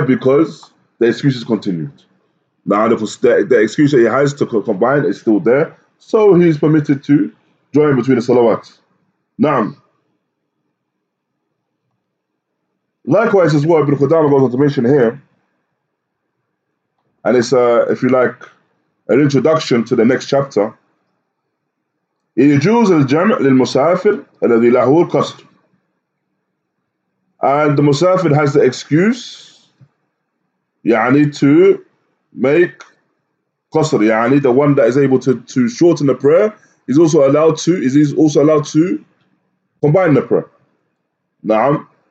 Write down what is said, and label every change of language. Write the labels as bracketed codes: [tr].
[en] Because the excuse is continued. Now the excuse that he has to combine is still there, so he's permitted to join between the salawats. Naam. Likewise, as well, Ibn Qudama goes on to mention here, and it's, if you like, an introduction to the next chapter. [ar] يجوز الجمع للمسافر الذي له القصد. [en] And the musafir has the excuse, يعني, to make qasr, يعني, the one that is able to shorten the prayer. He's also allowed to combine the prayer. Naam.